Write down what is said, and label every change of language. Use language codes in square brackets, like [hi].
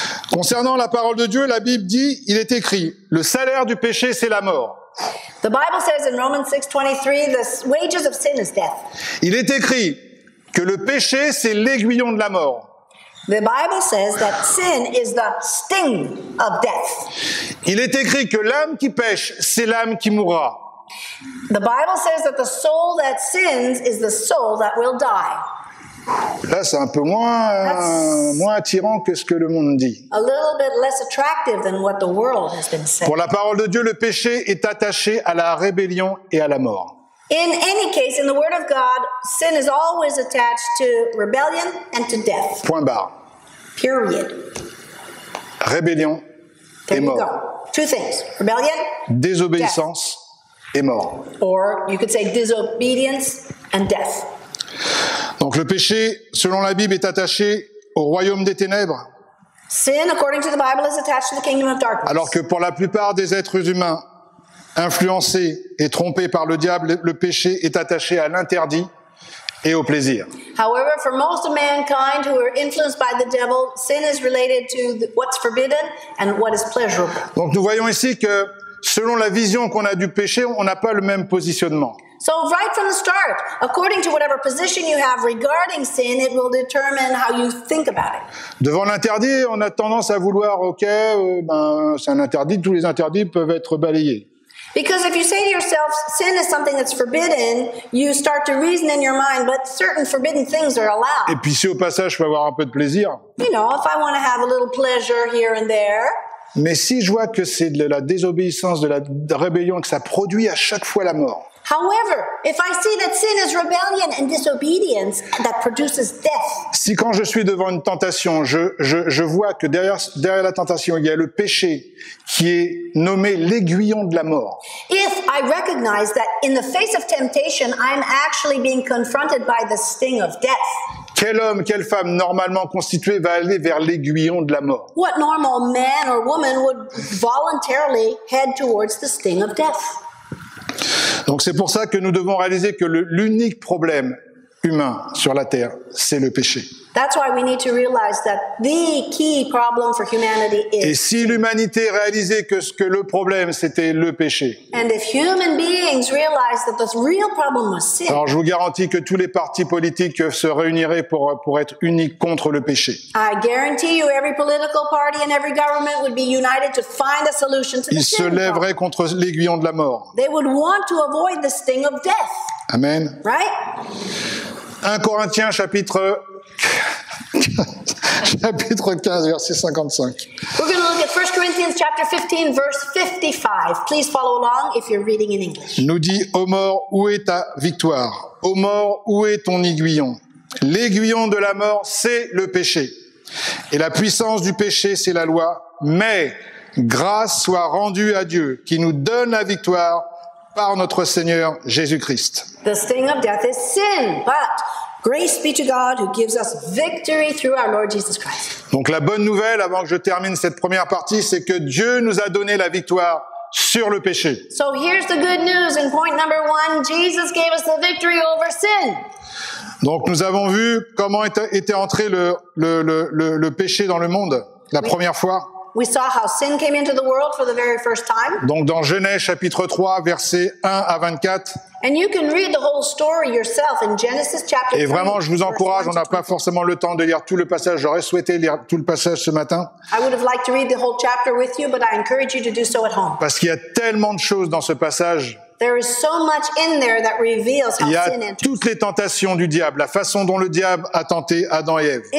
[fr] Concernant la parole de Dieu, la Bible dit, il est écrit, le salaire du péché, c'est la mort. [en] The Bible says in Romans 6:23, the wages of sin is death. [fr] Il est écrit que le péché, c'est l'aiguillon de la mort. [en] The Bible says that sin is the sting of death. [fr] Il est écrit que l'âme qui pêche, c'est l'âme qui mourra. [en] The Bible says that the soul that sins is the soul that will die. [fr] Là, c'est un peu moins attirant que ce que le monde dit. [en] A little bit less attractive than what the world has been saying. [fr] Pour la parole de Dieu, le péché est attaché à la rébellion et à la mort. [en] In any case, in the word of God, sin is always attached to rebellion and to death. [fr] Point barre. [en] Period. [fr] Rébellion et mort. [en] Two things. Rebellion. [fr] Désobéissance. [en] Death. [fr] Et mort. [en] Or you could say disobedience and death. [fr] Donc le péché, selon la Bible, est attaché au royaume des ténèbres. [en] Sin, according to the Bible, is attached to the kingdom of darkness. [fr] Alors que pour la plupart des êtres humains, influencés et trompés par le diable, le péché est attaché à l'interdit et au plaisir. [en] However, for most of mankind who are influenced by the devil, sin is related to what's forbidden and what is pleasurable. [fr] Donc nous voyons ici que selon la vision qu'on a du péché, on n'a pas le même positionnement. [en] So right from the start, according to whatever position you have regarding sin, it will determine how you think about it. [fr] Devant l'interdit, on a tendance à vouloir, ok, ben, c'est un interdit, tous les interdits peuvent être balayés. [en] Because if you say to yourself, sin is something that's forbidden, you start to reason in your mind, but certain forbidden things are allowed. [fr] Et puis si au passage, je peux avoir un peu de plaisir. [en] You know, if I want to have a little pleasure here and there. [fr] Mais si je vois que c'est de la désobéissance, de la rébellion, que ça produit à chaque fois la mort. [en] However, if I see that sin is rebellion and disobedience that produces death. [fr] Si quand je suis devant une tentation, je vois que derrière la tentation, il y a le péché qui est nommé l'aiguillon de la mort. [en] If I recognize that in the face of temptation, I'm actually being confronted by the sting of death. [fr] Quel homme, quelle femme normalement constituée va aller vers l'aiguillon de la mort? [en] What normal man or woman would voluntarily head towards the sting of death? [fr] Donc c'est pour ça que nous devons réaliser que l'unique problème humain sur la terre, c'est le péché. [en] That's why we need to realize that the key problem for humanity is. [fr] Et si l'humanité réalisait que ce que le problème c'était le péché. [en] And if human beings realized that the real problem was sin. [fr] Alors je vous garantis que tous les partis politiques se réuniraient pour être unis contre le péché. [en] I guarantee you every political party and every government would be united to find a solution to the sin. [fr] Ils se lèveraient contre l'aiguillon de la mort. [en] They would want to avoid the sting of death. [fr] Amen. [en] Right? [fr] 1 Corinthiens chapitre 15 verset 55. [en] We're going to look at 1 Corinthians chapter 15 verse 55. Please follow along if you're reading in English. [fr] Nous dit ô mort, où est ta victoire? Ô mort, où est ton aiguillon? L'aiguillon de la mort, c'est le péché. Et la puissance du péché, c'est la loi. Mais grâce soit rendue à Dieu qui nous donne la victoire par notre Seigneur Jésus-Christ. [en] The sting of death is sin, but grace be to God who gives us victory through our Lord Jesus Christ. [fr] Donc la bonne nouvelle avant que je termine cette première partie, c'est que Dieu nous a donné la victoire sur le péché. [en] So here's the good news in point number one, Jesus gave us the victory over sin. [fr] Donc nous avons vu comment était entré le péché dans le monde la première fois. [en] We saw how sin came into the world for the very first time. [fr] Donc dans Genèse chapitre 3 verset 1 à 24. [en] And you can read the whole story yourself in Genesis chapter 3. [fr] Et vraiment je vous encourage, on n'a pas forcément le temps de lire tout le passage, j'aurais souhaité lire tout le passage ce matin. [en] I would have liked to read the whole chapter with you, but I encourage you to do so at home. [fr] Parce qu'il y a tellement de choses dans ce passage. [en] There is so much in there that reveals how sin enters. [fr] Il y a toutes les tentations du diable, la façon dont le diable a tenté Adam et Ève.